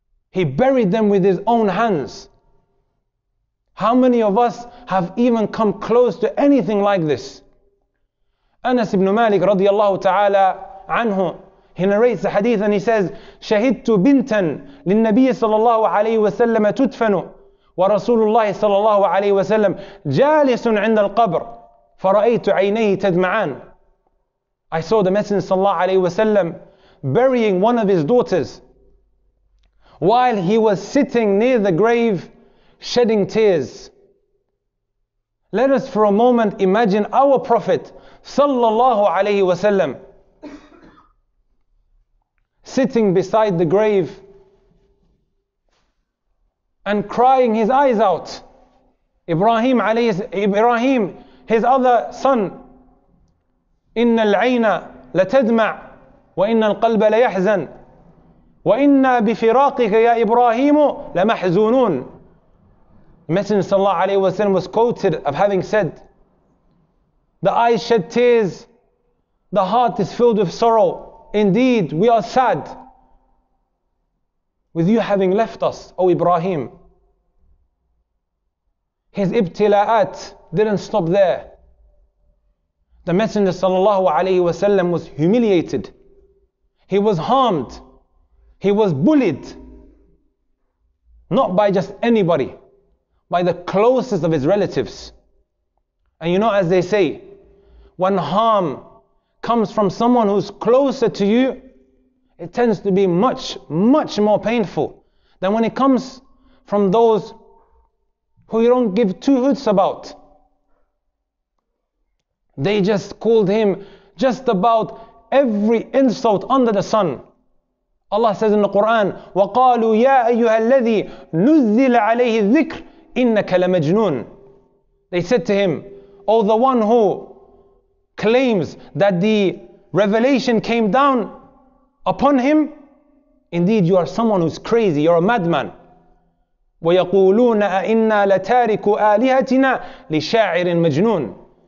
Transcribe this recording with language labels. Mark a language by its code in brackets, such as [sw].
[en] He buried them with his own hands. How many of us have even come close to anything like this? Anas ibn Malik radiyallahu ta'ala anhu, he narrates the hadith and he says, [ar] شهدت بنتا للنبي صلى الله عليه وسلم تدفن ورسول الله صلى الله عليه وسلم جالس عند القبر فرأيت عينيه تدمعان. [en] I saw the Messenger [ar] صلى الله عليه وسلم [en] burying one of his daughters while he was sitting near the grave shedding tears. Let us for a moment imagine our Prophet [ar] صلى الله عليه وسلم [en] sitting beside the grave and crying his eyes out. [ar] Ibrahim, [en] his other son, [ar] إِنَّ الْعَيْنَ لَتَدْمَعْ وَإِنَّ الْقَلْبَ لَيَحْزَنْ وَإِنَّ بِفِرَاقِكَ يَا إِبْرَاهِيمُ لَمَحْزُونُونَ. [en] The Messenger [ar] صلى الله عليه وسلم [en] was quoted of having said, the eyes shed tears, the heart is filled with sorrow. Indeed, we are sad with you having left us, O Ibrahim. His ibtila'at didn't stop there. The Messenger sallallahu alayhi wa sallam was humiliated. He was harmed. He was bullied. Not by just anybody, by the closest of his relatives. And you know, as they say, when harm comes from someone who's closer to you, it tends to be much, much more painful than when it comes from those who you don't give two hoots about. They just called him just about every insult under the sun. Allah says in the Quran, [ar] وَقَالُوا يَا أَيُّهَا الَّذِي نُزِّلَ عَلَيْهِ الذِّكْرِ إِنَّكَ لَمَجْنُونَ. [en] They said to him, oh, the one who claims that the revelation came down upon him, indeed you are someone who's crazy, you're a madman. [ar] وَيَقُولُونَ أَإِنَّا لَتَارِكُ آلِهَتِنَا لِشَاعِرٍ مَجْنُونَ.